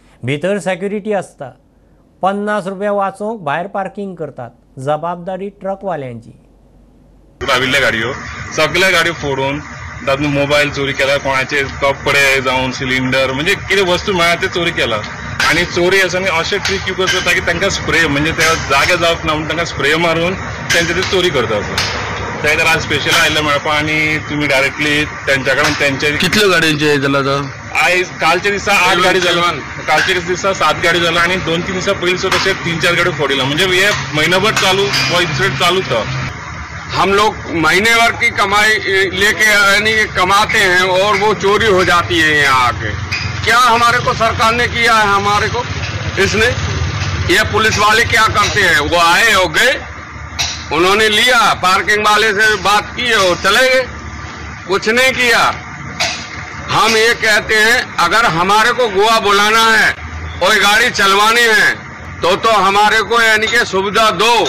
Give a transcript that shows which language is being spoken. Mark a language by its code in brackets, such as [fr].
[gom] भितर सॅक्युरिटी आसता. 50 रुपया वाचूंक भायर पार्किंग करतात. जबाबदारी ट्रकवाल्यांची. आविल्ल्या गाडयो सगळ्या गाडयो फोडून तातूंत मोबायल चोरी केला. कोणाचे कपडे जावन सिलिंडर म्हणजे कितें वस्तू मेळ्ळा ते चोरी केला. आनी चोरी आसा अशें ट्रीक यूज करता की तांकां स्प्रे म्हणजे त्या जागे जावप ना म्हणून तांकां स्प्रे मारून तेंचे ते चोरी करतात. ते खातीर आज स्पेशल आयिल्ले मेळपाक आनी तुमी डायरेक्टली तेंच्या कडेन तेंचे कितल्यो गाडयांचे जाला. आयज कालच्या दिसा आठ गाडी झाल्यो कालच्या दिसा सात गाडी झाल्यो आणि दोन तीन दिसा पहिले सुद्धा तीन चार गाडी फोडिल्या म्हणजे हे महिनाभर चालू व इन्सिडेंट चालू तर [hi] हम लोग महिनेभर की कमाई लेके यानी कमाते हैं और वो चोरी हो जाती है यहाँ आके क्या हमारे को सरकार ने किया है हमारे को इसने ये पुलिस वाले क्या करते हैं वो आए हो गए उन्होंने लिया पार्किंग वाले से बात की है और चले गए कुछ नहीं किया हम ये कहते हैं अगर हमारे को गोवा बुलाना है और गाड़ी चलवानी है तो हमारे को यानी के सुविधा दो